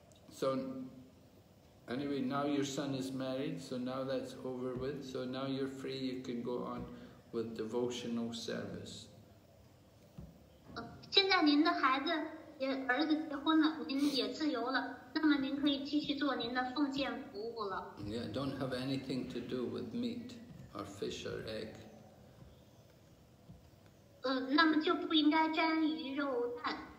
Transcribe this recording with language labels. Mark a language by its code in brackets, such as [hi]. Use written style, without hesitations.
[en] So, anyway, now your son is married, so now that's over with, so now you're free, you can go on. With devotional service. [zh] 现在您的孩子也儿子结婚了，您也自由了，那么您可以继续做您的奉献服务了。 [en] Yeah, don't have anything to do with meat or fish or egg. [zh] 那么就不应该沾鱼肉蛋。